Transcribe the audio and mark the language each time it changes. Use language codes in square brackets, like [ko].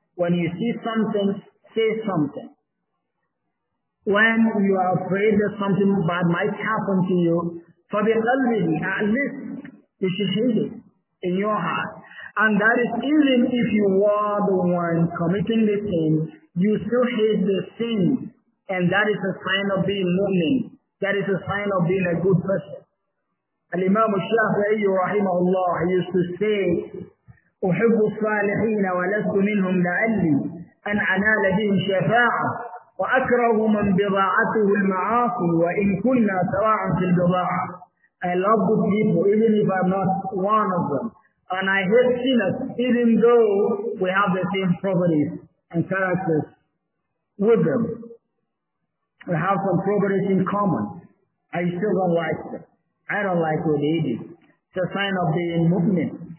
[en] When you see something, say something. When you are afraid that something bad might happen to you, for the elderly, at least you should hate it in your heart. And that is, even if you are the one committing the sin, you still hate the sin. And that is a sign of being mu'min. That is a sign of being a good person. Al-Imam al-Shafi'i rahimahullah used to say, [ar] أحب الصالحين ولست منهم لعلي أن أنال بهم شفاعة وأكره من بضاعته المعاصي وإن كنا سواء في البضاعة. [en] I love good people even if I'm not one of them. And I hate sinners even though we have the same properties and characters with them. We have some properties in common. I still don't like them. I don't like what they do. It's a sign of being mu'min.